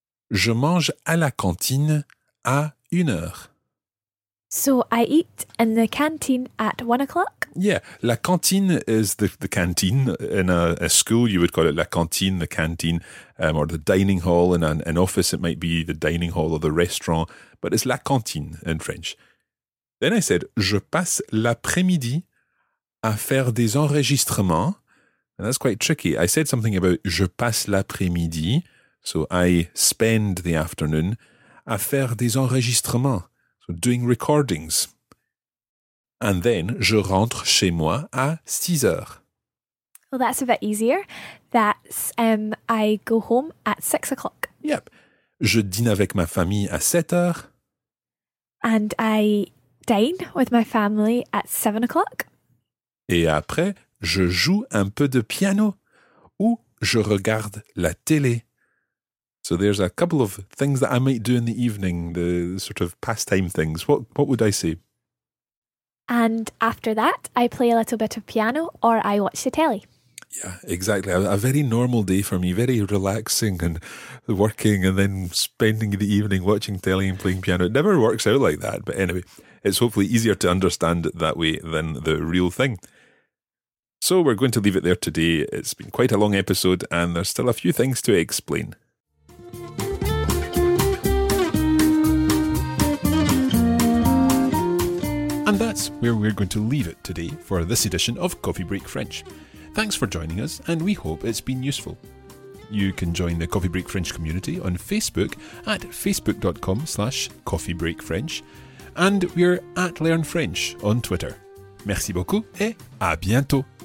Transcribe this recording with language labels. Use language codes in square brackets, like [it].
[fr] Je mange à la cantine à une heure. [en] So I eat in the canteen at 1 o'clock? Yeah, la cantine is the canteen. In a school, you would call it la cantine, the canteen, or the dining hall. In an office, it might be the dining hall or the restaurant, but it's la cantine in French. Then I said, [fr] je passe l'après-midi à faire des enregistrements. [en] And that's quite tricky. I said something about [fr] je passe l'après-midi, [en] so I spend the afternoon, [fr] à faire des enregistrements, [en] so doing recordings. And then [fr] je rentre chez moi à 6 heures. [en] Well, that's a bit easier. That's I go home at 6 o'clock. Yep. [fr] Je dîne avec ma famille à 7 heures. [en] And I dine with my family at 7 o'clock. [fr] Et après, je joue un peu de piano ou je regarde la télé. [en] So there's a couple of things that I might do in the evening, the sort of pastime things. What would I say? And after that, I play a little bit of piano or I watch the telly. Yeah, exactly. A very normal day for me, very relaxing and working and then spending the evening watching telly and playing piano. It never works out like that. But anyway, it's hopefully easier to understand that way than the real thing. So we're going to leave it there today. It's been quite a long episode and there's still a few things to explain. And that's where we're going to leave it today for this edition of Coffee Break French. Thanks for joining us and we hope it's been useful. You can join the Coffee Break French community on Facebook at facebook.com/coffeebreakfrench and we're at Learn French on Twitter. [fr] Merci beaucoup et à bientôt.